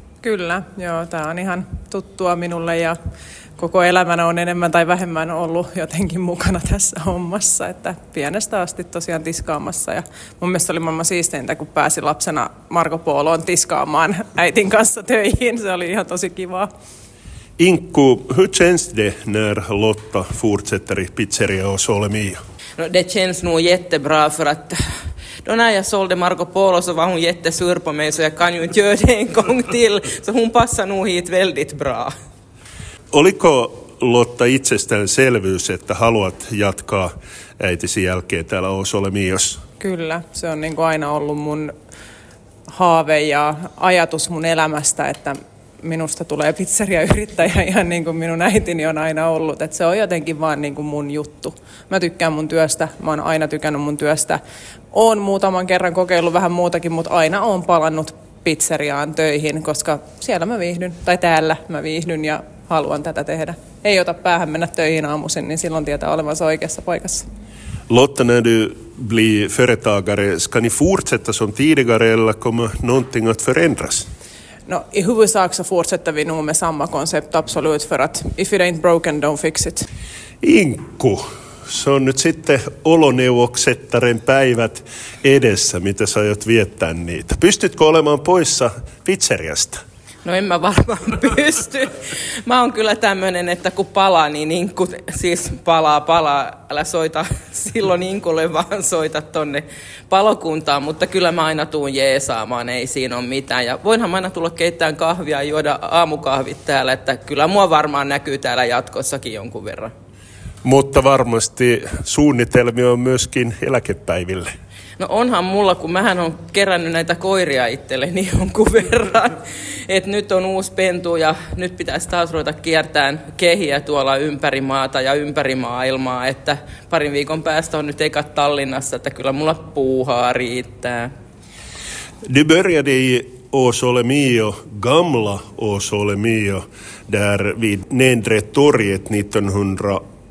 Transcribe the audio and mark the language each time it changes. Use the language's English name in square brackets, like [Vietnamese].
[Finnish] Kyllä, joo, tämä on ihan tuttua minulle ja koko elämänä on enemmän tai vähemmän ollut jotenkin mukana tässä hommassa, että pienestä asti tosiaan tiskaamassa. Ja mun mielestä oli maailman siisteintä, kun pääsi lapsena Marco Poloon tiskaamaan äitin kanssa töihin. Se oli ihan tosi kivaa. [Swedish] Inkku, hur känns det när Lotta fortsätter i pizzeria Osole Mia? No, det känns nog jättebra för att då när jag sålde Marco Polo så var hon jättesur på mig så jag kan ju inte göra det en gång till. Så hon passar nog hit väldigt bra. [Finnish] Oliko Lotta itsestäänselvyys, että haluat jatkaa äitisi jälkeen täällä Osole Mios? Kyllä, se on niin kuin aina ollut mun haave ja ajatus mun elämästä, että minusta tulee pizzeriayrittäjä ihan niin kuin minun äitini on aina ollut. Et se on jotenkin vaan niin kuin mun juttu. Mä tykkään mun työstä. Mä oon aina tykännyt mun työstä. Oon muutaman kerran kokeillut vähän muutakin, mutta aina oon palannut pizzeriaan töihin, koska siellä mä viihdyn, tai täällä mä viihdyn ja haluan tätä tehdä. Ei ota päähän mennä töihin aamuisin, niin silloin tietää olevansa oikeassa paikassa. [Swedish] Lotta, när du blir företagare, ska ni fortsätta som tidigare eller kommer någonting att förändras? No, i huvudsak så fortsätter vi nog med samma koncept, absolut, för att [English] if it ain't broken, don't fix it. [Finnish] Inkku, se on nyt sitten oloneuvoksettaren päivät edessä, mitä sä aiot viettää niitä. Pystytkö olemaan poissa pizzeriasta? No en mä varmaan pysty. Mä oon kyllä tämmönen, että kun palaa, niin Inkku siis palaa. Älä soita silloin Inkulle, vaan soita tonne palokuntaan. Mutta kyllä mä aina tuun jeesaamaan, ei siinä ole mitään. Ja voinhan mä aina tulla keittämään kahvia ja juoda aamukahvit täällä. Että kyllä mua varmaan näkyy täällä jatkossakin jonkun verran. Mutta varmasti suunnitelmia on myöskin eläkepäiville. No onhan mulla, kun mähän on kerännyt näitä koiria itselle niin jonkun verran, että nyt on uusi pentu ja nyt pitäisi taas ruveta kiertämään kehiä tuolla ympäri maata ja ympäri maailmaa, että parin viikon päästä on nyt ekat Tallinnassa, että kyllä mulla puuhaa riittää. [Swedish] Du började i Osole Mio, gamla Osole Mio, där vid Nedre torget 1908.